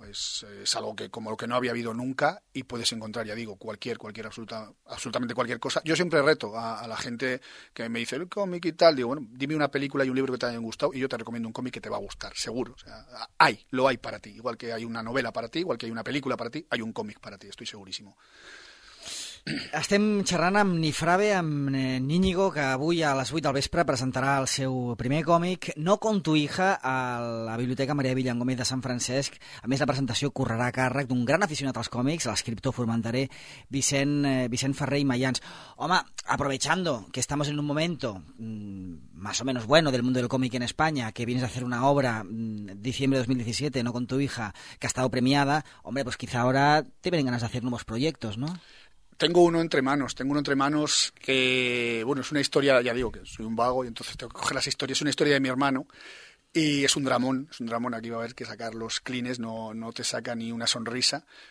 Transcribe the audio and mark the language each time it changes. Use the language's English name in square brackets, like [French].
[Spanish] Es algo que como lo que no había habido nunca y puedes encontrar, ya digo, absolutamente cualquier cosa. Yo siempre reto a la gente que me dice el cómic y tal, digo, bueno, dime una película y un libro que te hayan gustado y yo te recomiendo un cómic que te va a gustar, seguro. O sea, lo hay para ti. Igual que hay una novela para ti, igual que hay una película para ti, hay un cómic para ti, estoy segurísimo. [Catalan] Estem xerrant amb Nifrabe, amb Ñíñigo, que avui a les 8 del vespre presentarà el seu primer còmic, No con tu hija, a la Biblioteca Maria Villan Gómez de Sant Francesc. A més, la presentació correrà a càrrec d'un gran aficionat als còmics, l'escriptor formenterer Vicent Ferrer i Mayans. [Spanish] Home, aprovechando que estamos en un momento más o menos bueno del mundo del cómic en España, que vienes a hacer una obra, diciembre de 2017, No con tu hija, que ha estado premiada, hombre, pues quizá ahora te vienen ganas de hacer nuevos proyectos, ¿no? Tengo uno entre manos que, bueno, es una historia, ya digo que soy un vago y entonces tengo que coger las historias. Es una historia de mi hermano y es un dramón, aquí va a haber que sacar los clines, no te saca ni una sonrisa.